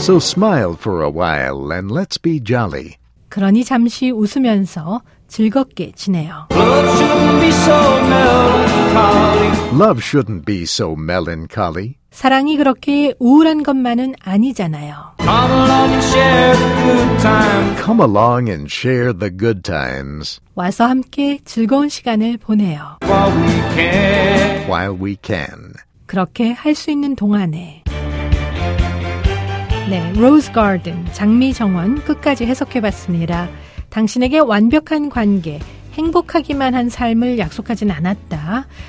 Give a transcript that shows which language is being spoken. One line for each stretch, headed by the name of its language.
English: So smile for a while and let's be jolly.
Korean: 그러니 잠시 웃으면서 즐겁게 지내요.
English: Love shouldn't be so melancholy. Love shouldn't be so melancholy.
Korean: 사랑이 그렇게 우울한 것만은 아니잖아요.
English: Come along and share the good times. Come along and share the good times.
Korean: 와서 함께 즐거운 시간을 보내요.
English: While we can. While we can.
Korean: 그렇게 할 수 있는 동안에. 네, Rose Garden, 장미 정원 끝까지 해석해봤습니다. 당신에게 완벽한 관계, 행복하기만 한 삶을 약속하진 않았다.